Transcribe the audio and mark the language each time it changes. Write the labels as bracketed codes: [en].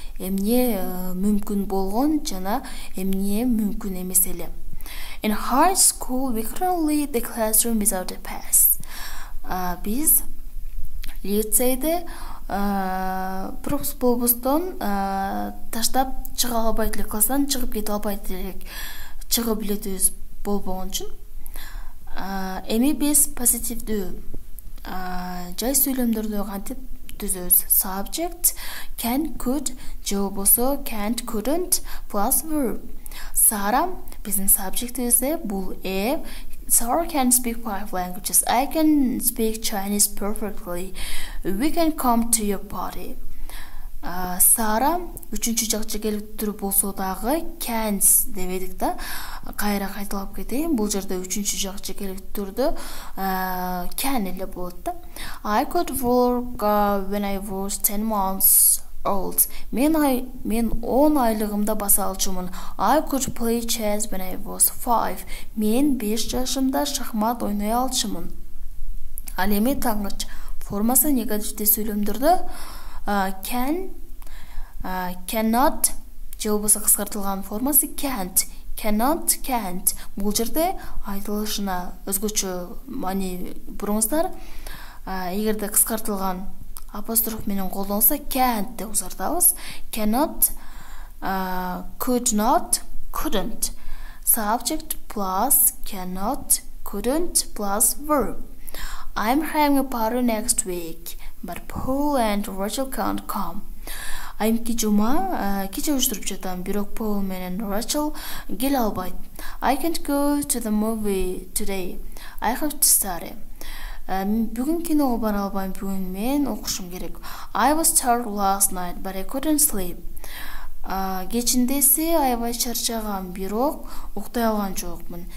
[ky] Эмне мүмкүн болгон жана эмне мүмкүн эмес эле. [en] In high school we couldn't leave the classroom without a pass. [ky] Биз лицейде пропуск болбостон таштап чыга албайт элек, класстан чыгып кете албайт элек, чыгып билетибиз болбогон үчүн. Эми биз позитивдүү жай сүйлөмдөрдү кантип түзөбүз? [en] Subject, can, could, [ky] же болбосо [en] can't, couldn't plus verb. [ky] Сара биздин subjectибизде бул э. [en] Sara can speak 5 languages. I can speak Chinese perfectly. We can come to your party. [ky] Сара үчүнчү жакчы келип туруп болсо дагы can's дебедик да. Кайра кайталап кетейин. Бул жерде үчүнчү жакчы келип турду. Can эле болот да. [en] I could work when I was 10 months old. [ky] Мен 10 айлыгымда баса алчумун. [en] I could play chess when I was 5. [ky] Мен 5 жашымда шахмат ойной алчумун. Ал эми таңгыч формасы негативде сүйлөмдөрдү cannot же болбосо кыскартылган формасы can't. [en] Cannot, can't. [ky] Бул жерде айтылышына өзгөчө маани буруңуздар. Эгерде кыскартылган апостроф менен колдонсо can't деп узартабыз. [en] Cannot, could not, couldn't. Subject plus cannot, couldn't plus verb. I'm having a party next week, but Paul and Rachel can't come. [ky] Айымки жума кече уюштуруп жатам, бирок Paul менен Rachel келе албайт. [en] I can't go to the movie today. I have to study. [ky] Бүгүн киного бара албайм, бүгүн мен окушум керек. [en] I was tired last night, but I couldn't sleep. [ky] Кечиндеси аябай чарчагам, бирок уктай алган жокмун.